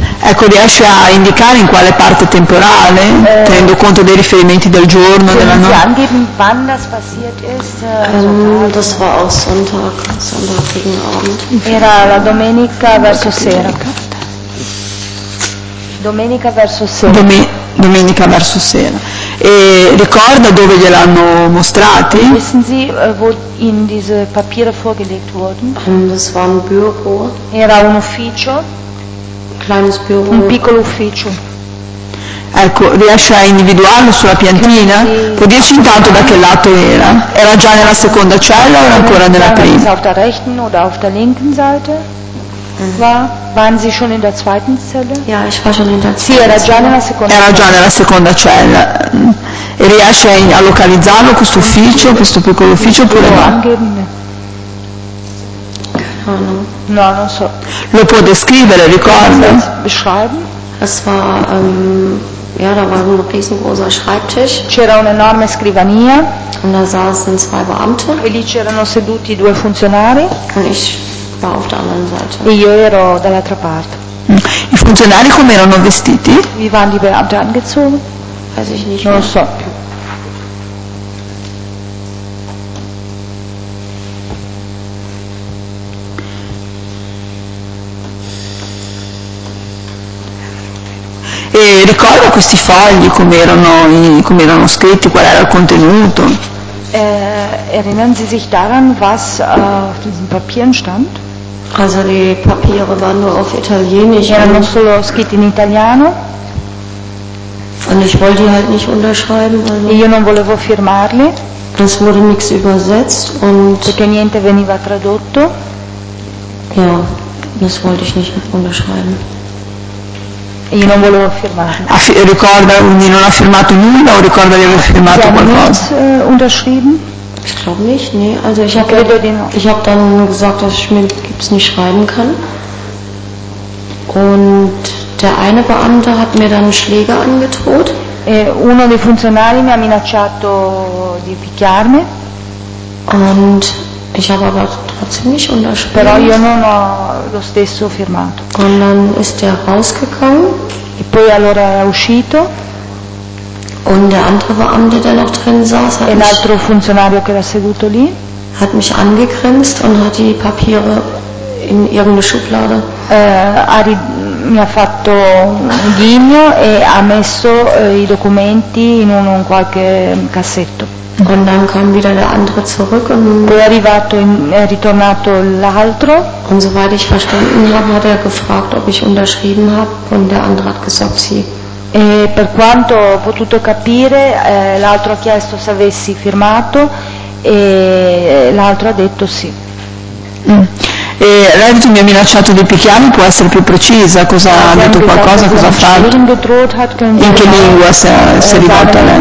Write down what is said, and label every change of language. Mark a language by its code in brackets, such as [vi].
[it] Ecco, riesce a indicare in quale parte temporale, tenendo conto dei riferimenti del giorno, della notte. [de] Angeben, wann das passiert ist? Das war auch Sonntag, Sonntag gegen Abend. [it] Era la domenica verso sera. Domenica verso sera. Domenica verso sera. E ricorda dove gliel'hanno mostrati? [de] Wissen Sie, wo Ihnen diese Papiere vorgelegt wurden? Das war ein Büro. [it] Era un ufficio. [de] Kleines Büro. [it] Un piccolo ufficio. Ecco, riesce a individuarlo sulla piantina? Può dirci intanto da che lato era? Era già nella seconda cella o ancora nella prima? [de] Auf der rechten oder auf der linken Seite? Waren Sie schon in der zweiten Zelle? Ja, ich war schon in der zweiten. [it] Sì, era già nella seconda. Era già nella seconda cella. E riesce a localizzarlo questo ufficio, questo piccolo ufficio, oppure no? No, non so. Lo può descrivere, ricorda? [de] Beschreiben? Es war ja, da war ein riesengroßer Schreibtisch. [it] C'era un'enorme scrivania. [de] Und da saßen zwei Beamte. [it] E lì c'erano seduti due funzionari. [de] Und ich war auf der anderen Seite. [it] E io ero dall'altra parte. I funzionari come erano vestiti? [de] Wie waren die Beamte angezogen? Weiß ich nicht. [it] Non so. E ricorda questi fogli, come erano scritti, qual era il contenuto? [de] Erinnern Sie sich daran, was auf diesen Papieren stand? Also die Papiere waren nur auf Italienisch. [it] Erano solo scritti in italiano. [de] Und ich wollte die halt nicht unterschreiben. [it] Also io non volevo firmarli. [de] Es wurde nichts übersetzt und. [it] Perché niente veniva tradotto. [de] Ja, das wollte ich nicht unterschreiben. [it] Io non volevo firmare. Ricorda, quindi non ha firmato nulla o ricorda di aver firmato qualcosa? [de] Unterschrieben? Ich glaube nicht, nee. Also ich habe dann gesagt, dass ich mir Gips nicht schreiben kann. Und der eine Beamte hat mir dann Schläge angedroht. [it] Uno dei funzionari mi ha minacciato di picchiarmi. [de] Und ich habe aber trotzdem nicht unterschrieben. [it] Però io non ho lo stesso firmato. [de] Und dann ist er rausgegangen. [it] E poi allora è uscito. [de] Und der andere Beamte, der noch drin saß, hat [it] e l'altro funzionario che era seduto lì, [de] hat mich angegrinst und hat die Papiere in irgendeine Schublade. [it] Mi ha fatto un ghigno e ha messo i documenti in un qualche cassetto. [de] Und dann kam wieder der andere zurück und [it] poi è ritornato l'altro. [de] Und soweit ich verstanden habe, hat gefragt, ob ich unterschrieben habe, und der andere hat gesagt, sì. [it] E per quanto ho potuto capire, l'altro ha chiesto se avessi firmato e l'altro ha detto sì. E lei mi ha minacciato di picchiarmi, può essere più precisa, cosa ha detto, qualcosa, cosa ha fatto? In che lingua si è rivolta a lei?